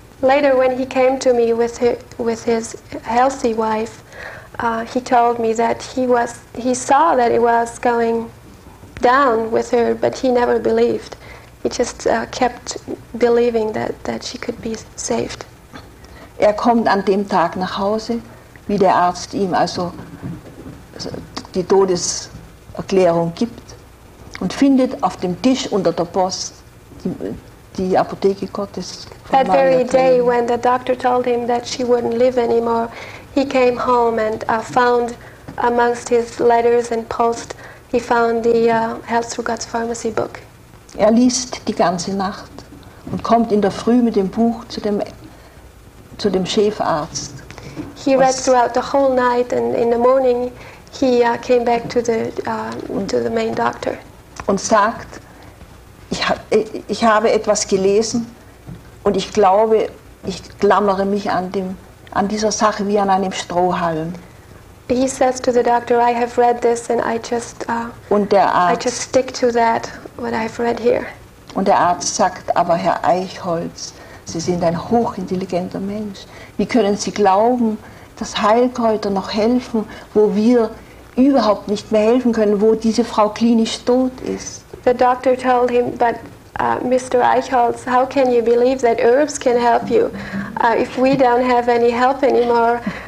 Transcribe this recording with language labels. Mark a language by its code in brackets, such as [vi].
[en] Later, when he came to me with his healthy wife, he told me that he saw that it was going down with her, but he never believed. He just kept believing that she could be saved. [de] Er kommt an dem Tag nach Hause, wie der Arzt ihm also die Todeserklärung gibt, und findet auf dem Tisch unter der Post die Apotheke Gottes. [en] That very day, when the doctor told him that she wouldn't live anymore, he came home and found amongst his letters and post, he found the Health through God's Pharmacy book. [de] Er liest die ganze Nacht und kommt in der Früh mit dem Buch zu dem Chefarzt. [en] He read throughout the whole night and in the morning he came back to the main doctor. [de] Und sagt, ich habe etwas gelesen und ich glaube, ich klammere mich an dieser Sache wie an einem Strohhalm. [en] He says to the doctor, I have read this and I just [de] und der Arzt, [en] I just stick to that what I've read here. [de] Und der Arzt sagt, aber Herr Eichholz, Sie sind ein hochintelligenter Mensch. Wie können Sie glauben, dass Heilkräuter noch helfen, wo wir überhaupt nicht mehr helfen können, wo diese Frau klinisch tot ist? [en] The doctor told him, but Mr. Eichholz, how can you believe that herbs can help you if we don't have any help anymore?